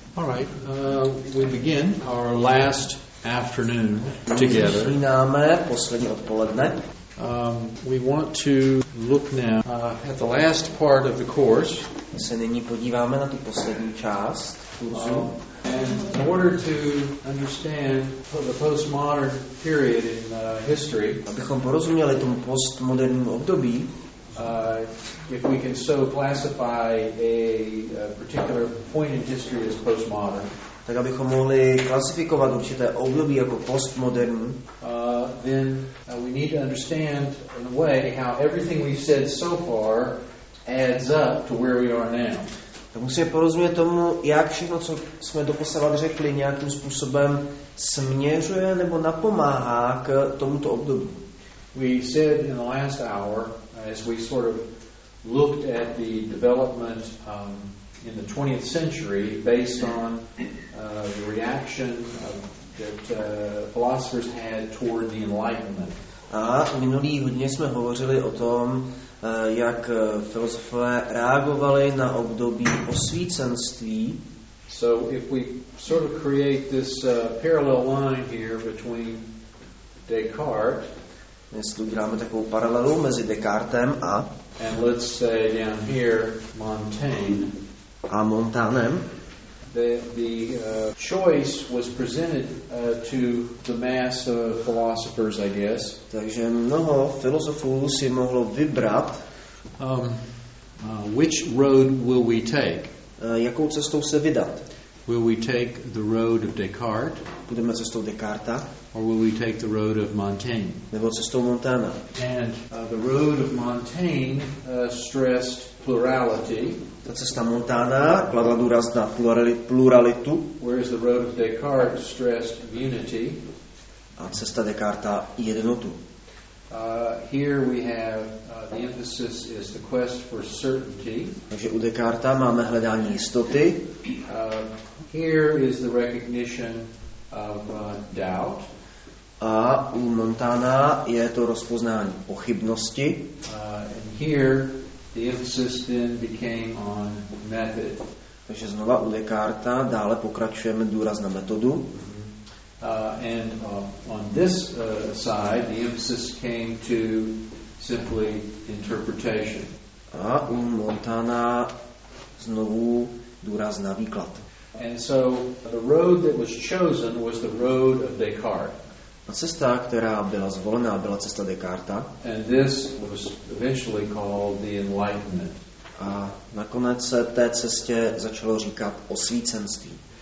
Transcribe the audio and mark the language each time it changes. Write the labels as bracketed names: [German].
[English] All right, we begin our last afternoon together. [Czech] Začíname poslední odpoledne. [English] We want to look now at the last part of the course. [Czech] My se nyní podíváme na tu poslední část kurzu. [English] And in order to understand the postmodern period in history, [Czech] abychom porozuměli tomu postmodernímu období, [English] If we can so classify a particular point in history as postmodern, [Czech] tak abychom mohli klasifikovat určité období jako postmodern, [English] then we need to understand in a way how everything we've said so far adds up to where we are now. [Czech] Tak musíme porozumět tomu, jak všechno, co jsme doposavat řekli, nějakým způsobem směřuje nebo napomáhá k tomuto období. [English] We said in the last hour, as we sort of looked at the development in the 20th century based on the reaction that philosophers had toward the Enlightenment. [Czech] A minulý hodně jsme hovořili o tom, jak filozofové reagovali na období osvícenství. [English] So if we sort of create this parallel line here between Descartes, [Czech] jestli uděláme takovou paralelu mezi Descartem a [English] and let's say down here Montaigne, [Czech] a Montanem, [English] the choice was presented to the mass of philosophers, I guess. [Czech] Takže mnoho filozofů si mohlo vybrat, [English] which road will we take? [Czech] Jakou cestou se vydat? [English] Will we take the road of Descartes? [Czech] Budeme cestou Descartes? [English] Or will we take the road of Montaigne? [Czech] Nebo cestou Montana? [English] And the road of Montaigne stressed plurality. [Czech] Ta cesta Montana kladla důraz na pluralitu. [English] Whereas the road of Descartes stressed unity. [Czech] A cesta Descartes jednotu. [English] Here we have the emphasis is the quest for certainty. [Czech] Takže u Descartes máme hledání jistoty. [English] Here is the recognition of doubt. [Czech] A u Montana je to rozpoznání pochybnosti. [English] And here the emphasis then became on method. [Czech] Takže znova u Descartes dále pokračujeme důraz na metodu. [English] And on this side the emphasis came to simply interpretation. [Czech] A u Montana znovu důraz na výklad. [English] And so the road that was chosen was the road of Descartes. [Czech] A cesta, která byla zvolena, byla cesta Descartes. [English] And this was eventually called the Enlightenment. [Czech] A nakonec se té cestě začalo říkat osvícenství.